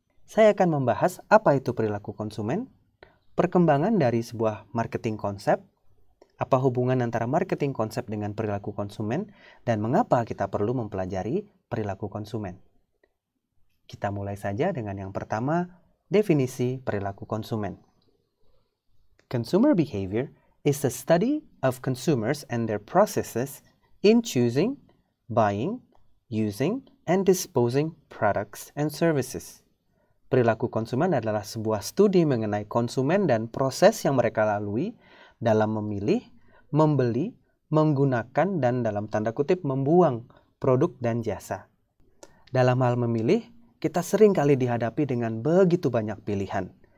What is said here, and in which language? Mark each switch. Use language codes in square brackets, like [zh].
[id] Saya akan membahas apa itu perilaku konsumen, perkembangan dari sebuah marketing konsep, apa hubungan antara marketing konsep dengan perilaku konsumen, dan mengapa kita perlu mempelajari perilaku konsumen. Kita mulai saja dengan yang pertama, definisi perilaku konsumen. [en] Consumer behavior is the study of consumers and their processes in choosing, buying, using, and disposing products and services. [id] Perilaku konsumen adalah sebuah studi mengenai konsumen dan proses yang mereka lalui dalam memilih, membeli, menggunakan, dan dalam tanda kutip membuang produk dan jasa. Dalam hal memilih, kita sering kali dihadapi dengan begitu banyak pilihan.